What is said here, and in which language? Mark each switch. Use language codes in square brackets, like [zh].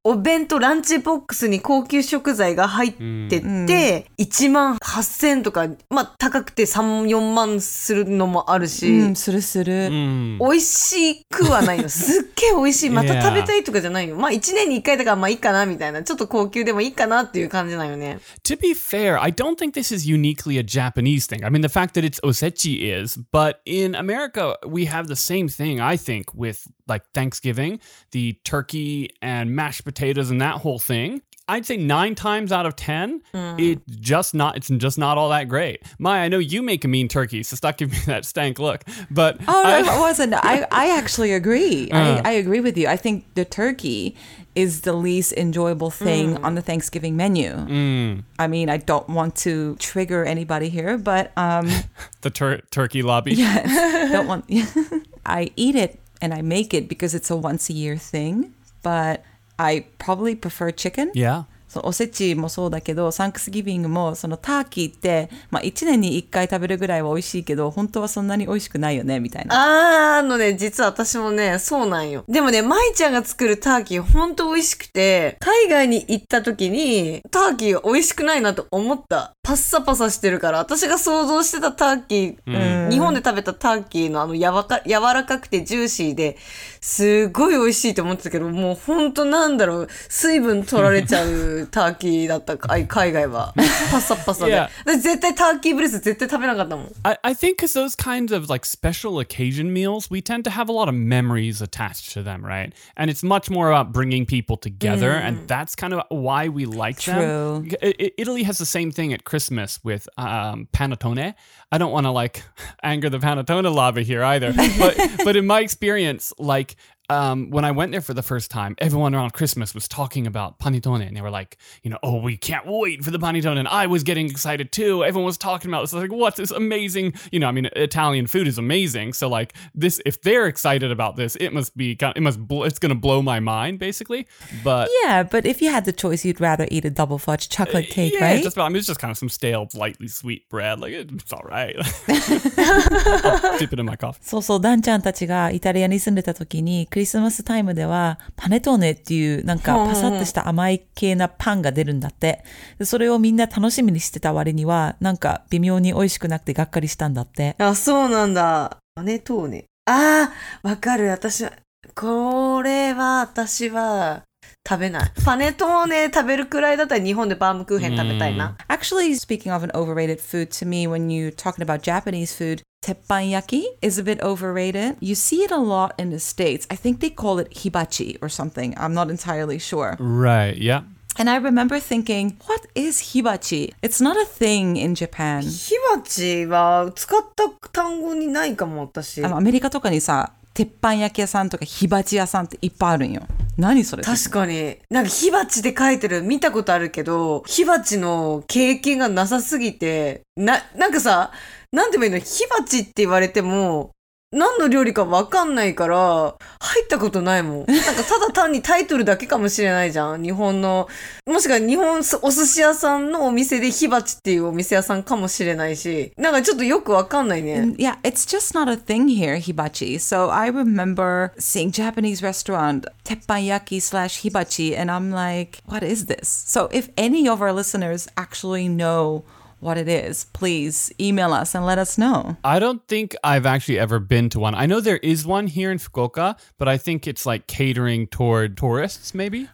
[ja] お弁当、ランチボックスに高級食材が入ってて、1万8000とか、まあ高くて3、4万するのもあるし。するする。美味しくはないの。すっげえ美味しい。また食べたいとかじゃないの。まあ1年に1回だからまあいいかなみたいな。ちょっと高級でもいいかなっていう感じなのね。 [en] To be fair, I don't think this is uniquely a Japanese thing. I mean, the fact that it's osechi is, but in America, we have the same thing, I think, with like Thanksgiving, the turkey and mashed potatoes and that whole thing. I'd say 9 times out of 10, it's just not all that great. Maya, I know you make a mean turkey, so stop giving me that stank look. But I actually agree. I agree with you. I think the turkey is the least enjoyable thing on the Thanksgiving menu. I mean, I don't want to trigger anybody here, but... the turkey lobby. Yeah, don't want... I eat it and I make it because it's a once a year thing, but... I probably prefer chicken. Yeah. [ja] そのおせちもそうだけど、サンクスギビングもそのターキーって、まあ、1年に1回食べるぐらいは美味しいけど、本当はそんなに美味しくないよねみたいな。ああのね、実は私もね、そうなんよ。でもね、まいちゃんが作るターキー本当美味しくて、海外に行った時にターキー美味しくないなと思った。パッサパサしてるから、私が想像してたターキー、うん、日本で食べたターキーのあの柔らかくてジューシーで、すごい美味しいと思ってたけど、もう本当なんだろう、水分取られちゃうターキーだった、海外は。パッサパサで。 [en] Yeah. [ja] で絶対ターキーブレス絶対食べなかったもん。 [en] I think because those kinds of like special occasion meals, we tend to have a lot of memories attached to them, right? And it's much more about bringing people together,、mm. and that's kind of why we like them. Italy has the same thing at Christmas with、panettone. I don't want to like anger the panettone lobby here either, but, but in my experience, like,when I went there for the first time, everyone around Christmas was talking about panettone, and they were like, you know, oh, we can't wait for the panettone, and I was getting excited too. Everyone was talking about this. I was like, what's this amazing, you know, I mean, Italian food is amazing, so like, this, if they're excited about this, it must be, it's going to blow my mind, basically, but... Yeah, but if you had the choice, you'd rather eat a double fudge chocolate cake, yeah, right? Yeah, just about, I mean, it's just kind of some stale, lightly sweet bread, like, it's all right. dip it in my coffee. [ja] そうそう、ダンちゃんたちがイタリアに住んでた時に、クリスマスタイムではパネトーネっていうなんかパサッとした甘い系なパンが出るんだって。でそれをみんな楽しみにしてた割にはなんか微妙に美味しくなくてがっかりしたんだって。あ、そうなんだ。パネトーネ、あー、わかる。私はこれは私は食べない。パネトーネ食べるくらいだったら日本でバームクーヘン食べたいな。 [en] Actually, speaking of an overrated food, to me when you're talking about Japanese food,Teppanyaki is a bit overrated. You see it a lot in the States. I think they call it hibachi or something. I'm not entirely sure. Right, yeah. And I remember thinking, what is hibachi? It's not a thing in Japan. [ja] Hibachi は使った単語にないかも、私。アメリカとかにさ、鉄板焼き屋さんとか hibachi 屋さんっていっぱいあるんよ。何それ。確かに。なんか火鉢で書いてる見たことあるけど、火鉢の経験がなさすぎて、なんかさ、なんでもいいの、火鉢って言われても、何の料理か分かんないから、入ったことないもん。なんかただ単にタイトルだけかもしれないじゃん。日本の、もしくは日本お寿司屋さんのお店で火鉢っていうお店屋さんかもしれないし、なんかちょっとよく分かんないね。 [en] Yeah, it's just not a thing here, 火鉢。 So I remember seeing Japanese restaurant, 鉄板焼き slash 火鉢, and I'm like, what is this? So if any of our listeners actually knowwhat it is, please email us and let us know. I don't think I've actually ever been to one. I know there is one here in Fukuoka, but I think it's like catering toward tourists, maybe?